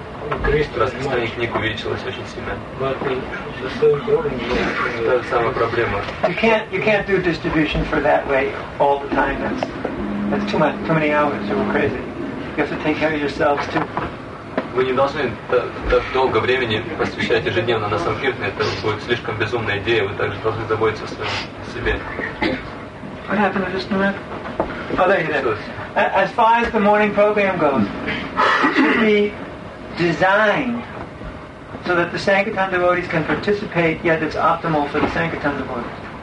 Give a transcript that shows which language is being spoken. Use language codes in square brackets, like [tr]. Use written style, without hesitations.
[ru] Распространение книг увеличилось очень сильно. Та же самая проблема. [en] You can't do distribution for that way all the time. That's too much, too many hours. You're crazy. You have to take care of yourselves too. [ru] Вы не должны так долго времени посвящать ежедневно на санкхирте. Это будет слишком безумная идея. Вы также должны заботиться о себе. [en] What happened to this man? Oh, there he is. As far as the morning program goes, it should be designed so that the Sankirtan devotees can participate, yet it's optimal for the Sankirtan devotees.